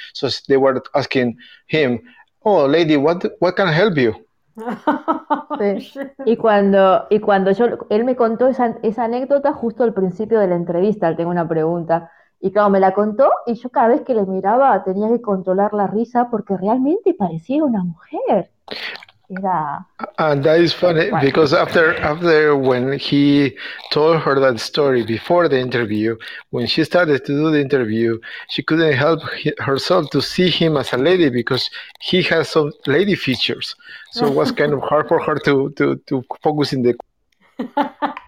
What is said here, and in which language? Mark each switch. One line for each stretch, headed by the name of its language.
English: So they were asking him, oh, lady, what can I help you?
Spanish: Sí. Y cuando él me contó esa anécdota justo al principio de la entrevista, él tengo una pregunta, y claro, me la contó y yo cada vez que le miraba tenía que controlar la risa porque realmente parecía una mujer. Era...
English: And that is funny because after when he told her that story before the interview, when she started to do the interview, she couldn't help herself to see him as a lady because he has some lady features. So it was kind of hard for her to focus in the.